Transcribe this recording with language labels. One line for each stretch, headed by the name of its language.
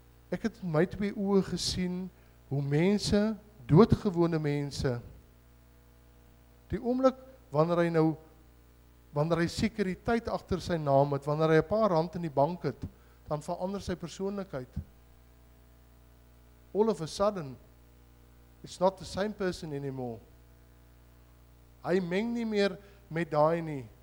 Afrikaans: Ek het my twee oë gesien hoe mense, doodgewone mense, die oomblik wanneer hy sekuriteit agter sy naam het, wanneer hy 'n paar rand in die bank het, dan verander sy persoonlikheid.
English: All of a sudden, it's not the same person anymore.
Afrikaans: Hy meng nie meer met daai nie.